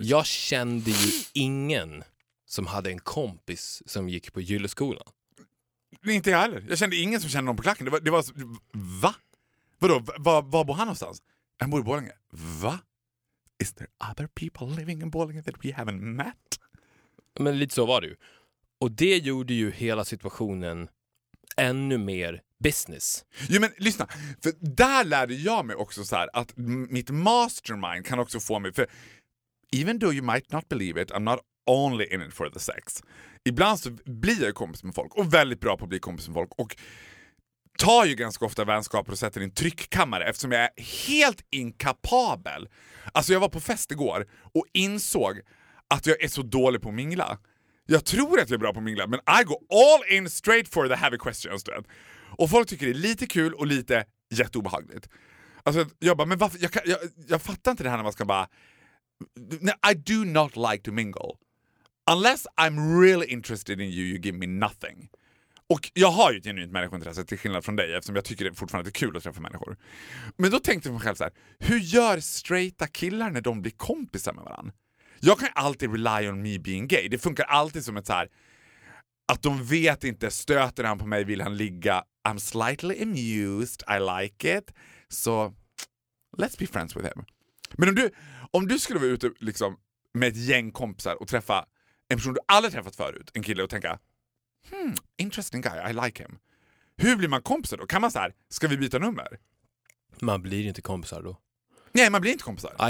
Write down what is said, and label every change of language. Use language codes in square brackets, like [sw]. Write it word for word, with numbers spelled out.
[sv] Jag kände ju ingen som hade en kompis som gick på Gylleskolan. Inte jag heller. Jag kände ingen som kände någon på Klacken. Det var, det var va? Vadå? Va, va, var bor han någonstans? Han bor i Borlänge. Va? [en] Is there other people living in Borlänge that we haven't met? [sv] Men lite så var det ju. Och det gjorde ju hela situationen ännu mer business. Jo, men lyssna. För där lärde jag mig också så här att mitt mastermind kan också få mig, för [en] even though you might not believe it, I'm not only in it for the sex. [sv] Ibland så blir jag kompis med folk och väldigt bra på att bli kompis med folk, och tar ju ganska ofta vänskaper och sätter i en tryckkammare eftersom jag är helt inkapabel. Alltså, jag var på fest igår och insåg att jag är så dålig på att mingla. Jag tror att jag är bra på att mingla, men [en] I go all in straight for the heavy questions. [sv] Och folk tycker det är lite kul och lite jätteobehagligt. Alltså, jag bara, men varför? Jag, kan, jag, jag fattar inte det här när man ska bara, [en] I do not like to mingle. Unless I'm really interested in you, you give me nothing. [sv] Och jag har ju ett genuint människointresse till skillnad från dig, eftersom jag tycker det fortfarande är kul att träffa människor. Men då tänkte jag på mig själv så här: hur gör straighta killar när de blir kompisar med varandra? Jag kan alltid [en] rely on me being gay. [sv] Det funkar alltid som ett så här, att de vet inte, stöter han på mig vill han ligga. [en] I'm slightly amused, I like it. [sv] Så [en] so, let's be friends with him. [sv] Men om du, om du skulle vara ute liksom med ett gäng kompisar och träffa en person du aldrig träffat förut, en kille, och tänka hmm, [en] interesting guy, I like him. [sv] Hur blir man kompisar då? Kan man så här, ska vi byta nummer? Man blir inte kompisar då. Nej, man blir inte kompisar.